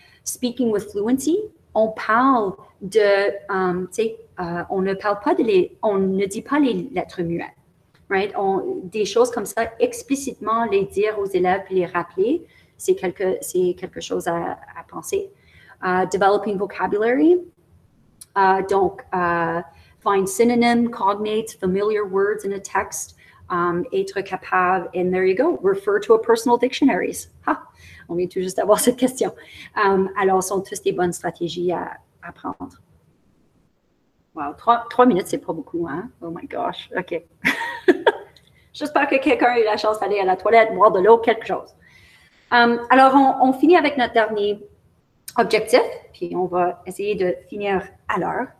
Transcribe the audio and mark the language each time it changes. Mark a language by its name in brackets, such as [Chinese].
[English] Speaking with fluency, [French] on parle de, on ne parle pas on ne dit pas les lettres muettes, [English] right? [French] Des choses comme ça, explicitement les dire aux élèves et les rappeler, c'est quelque chose à penser. [English] Developing vocabulary, find synonyms, cognates, familiar words in a text, [French] être capable, [English] and there you go, refer to a personal dictionary. [French] Ha! On vient tout juste d'avoir cette question. Alors, ce sont tous des bonnes stratégies à apprendre. Wow, trois minutes, c'est pas beaucoup, hein? [English] Oh my gosh, OK. [French] J'espère que quelqu'un a eu la chance d'aller à la toilette, boire de l'eau, quelque chose. On finit avec notre dernier objectif, puis on va essayer de finir à l'heure.